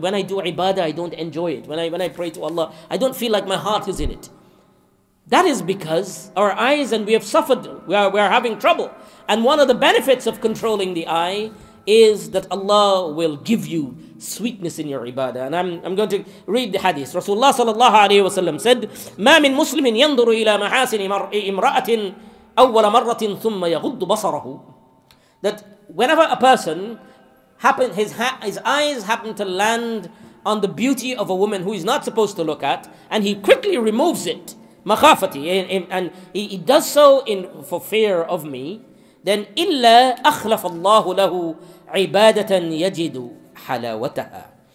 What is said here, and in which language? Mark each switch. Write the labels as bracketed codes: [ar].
[en] When I do ibadah, I don't enjoy it. When I pray to Allah, I don't feel like my heart is in it. That is because our eyes, and we have suffered, we are having trouble. And one of the benefits of controlling the eye is that Allah will give you sweetness in your ibadah. And I'm going to read the hadith. [ar] Rasulullah sallallahu alayhi wa sallam said, مَا مِن مُسْلِمٍ يَنْظُرُ إِلَى مَحَاسِنِ إِمْرَأَةٍ أَوَّلَ مَرَّةٍ ثُمَّ يَغُضُّ بَصَرَهُ. [en] That whenever a person, his eyes happen to land on the beauty of a woman who he's not supposed to look at, and he quickly removes it, مخافتي, and he does so in for fear of me, then [ar] illa akhlafa Allahu lahu ibadatan yajidu halawataha.